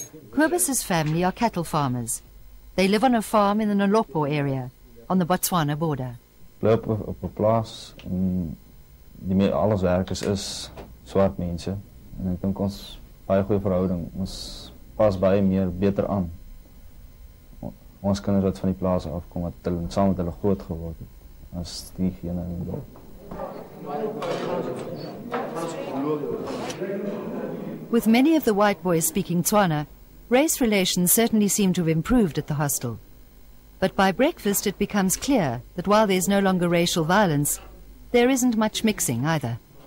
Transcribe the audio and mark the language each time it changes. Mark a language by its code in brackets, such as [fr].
[en] Kurbus's family are cattle farmers. They live on a farm in the Nolopo area, on the Botswana border. [af] Op 'n plaas en die meeste alles werkers is swart mense. En ek dink ons baie goeie verhouding. Ons pas baie meer beter aan. Ons kinders wat van die plaas afkom wat hulle saam met hulle groot geword het as diegene in die dorp. [en] With many of the white boys speaking Tswana, race relations certainly seem to have improved at the hostel. But by breakfast, it becomes clear that while there's no longer racial violence, there isn't much mixing either.